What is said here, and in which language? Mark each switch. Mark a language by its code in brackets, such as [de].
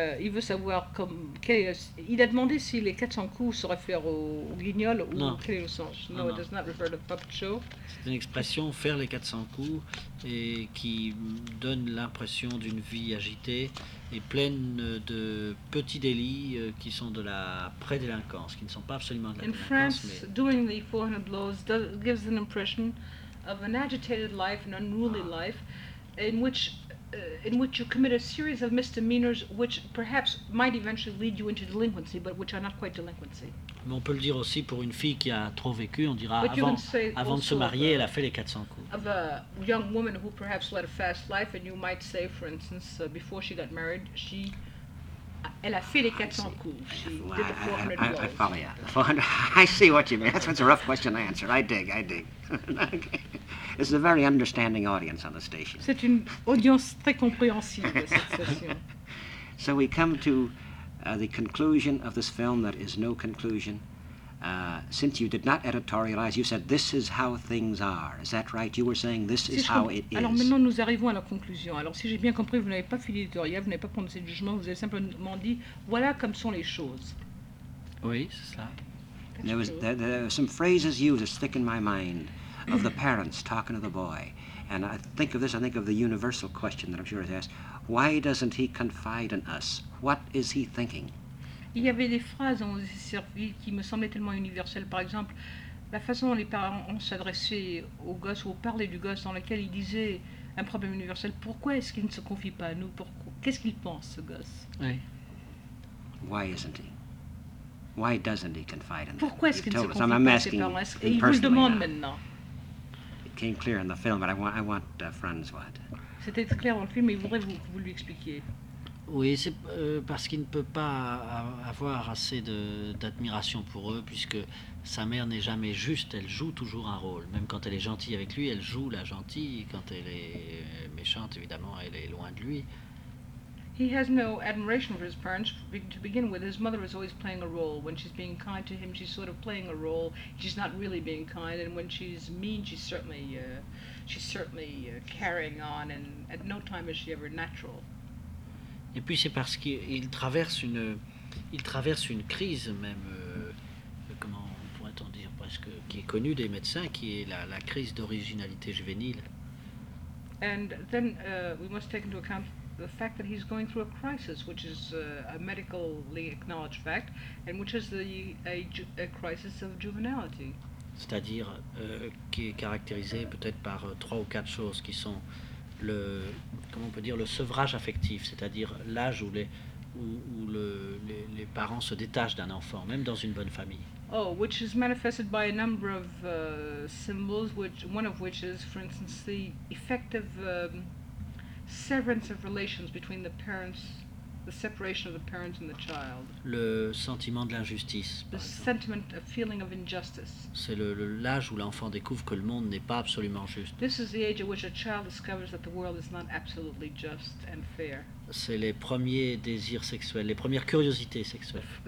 [fr] Il veut savoir il a demandé si les 400 coups se réfèrent au Guignol ou non. Quel est le sens. [en] No, it does not refer to puppet show. [fr] C'est une expression, faire les 400 coups, et qui donne l'impression d'une vie agitée et pleine de petits délits qui sont de la prédélinquance, qui ne sont pas absolument de la délinquance. [en] In France, doing the 400 blows gives an impression of an agitated life, an unruly life, in which you commit a series of misdemeanors which perhaps might eventually lead you into delinquency, but which are not quite delinquency. [fr] Mais on peut le dire aussi pour une fille qui a trop vécu, on dira avant de se marier, elle a fait les 400 coups. [en] Of a young woman who perhaps led a fast life, and you might say, for instance, before she got married, [fr] elle a fait les 400 coups. [en] She did the 400 blows. I follow you. 400, I see what you mean. That's a rough question to answer. I dig. Okay. This is a very understanding audience on the station. [fr] C'est une audience très compréhensive, cette station. [en] So we come to the conclusion of this film that is no conclusion. Since you did not editorialize, you said this is how things are. Is that right? You were saying this is how it is. [fr] Alors maintenant nous arrivons à la conclusion. Alors si j'ai bien compris, vous n'avez pas fait l'éditorial, vous n'avez pas prononcé de jugement, vous avez simplement dit voilà comme sont les choses. Oui, c'est ça. [en] There are some phrases used that stick in my mind of the parents talking to the boy. And I think of this, I think of the universal question that I'm sure is asked. Why doesn't he confide in us? What is he thinking? [fr] Il y avait des phrases qui me semblaient tellement universelles. Par exemple, la façon dont les parents s'adressaient au gosse ou parlaient du gosse, dans laquelle ils disaient un problème universel. Pourquoi est-ce qu'il ne se confie pas à nous? Qu'est-ce qu'il pense, ce gosse? Oui. [en] Why isn't he? Why doesn't he confide in [fr] pourquoi Est-ce qu'il ne se confie pas à ses parents? Et il vous le demande maintenant. [en] It came clear in the film, but I want Francois. [fr] C'était clair dans le film, mais il voudrait que vous lui expliquiez. Oui, c'est parce qu'il ne peut pas avoir assez d'admiration pour eux, puisque sa mère n'est jamais juste, elle joue toujours un rôle. Même quand elle est gentille avec lui, elle joue la gentille. Quand elle est méchante, évidemment, elle est loin de lui. [en] He has no admiration for his parents. To begin with, his mother is always playing a role. When she's being kind to him, she's sort of playing a role. She's not really being kind, and when she's mean, she's certainly carrying on, and at no time is she ever natural. [fr] Et puis c'est parce qu'il traverse une crise même, comment pourrait-on dire, presque, qui est connue des médecins, qui est la crise d'originalité juvénile. [en] And then we must take into account the fact that he's going through a crisis, which is a medically acknowledged fact, and which is a crisis of juvenility. [fr] C'est-à-dire qui est caractérisé peut-être par trois ou quatre choses qui sont le sevrage affectif, c'est-à-dire l'âge où les parents se détachent d'un enfant, même dans une bonne famille. [en] Oh, which is manifested by a number of symbols, which one of which is, for instance, the effective severance of relations between the parents, the separation of the parents and the child. [fr] Le sentiment de l'injustice. [en] The sentiment of feeling of injustice. [fr] C'est l'âge où l'enfant découvre que le monde n'est pas absolument juste. [en] This is the age at which a child discovers that the world is not absolutely just and fair. [fr] C'est les premiers désirs sexuels, les premières curiosités sexuelles.